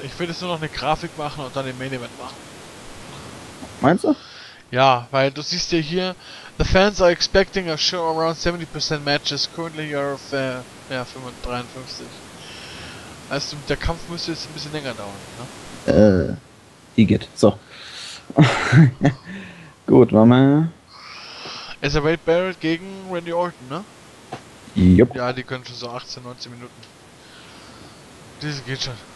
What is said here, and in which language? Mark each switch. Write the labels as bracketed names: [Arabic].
[German] Ich würde jetzt nur noch eine Grafik machen und dann den Main Event machen. Meinst du? Ja, weil du siehst ja hier. [English] The fans are expecting a show around 70% matches. Currently you're of 53. [German] Also, der Kampf müsste jetzt ein bisschen länger dauern, ne? Igitt. So. Gut, machen wir. Es ist ein Wade Barrett gegen Randy Orton, ne? Jupp. Ja, die können schon so 18, 19 Minuten. Das geht schon.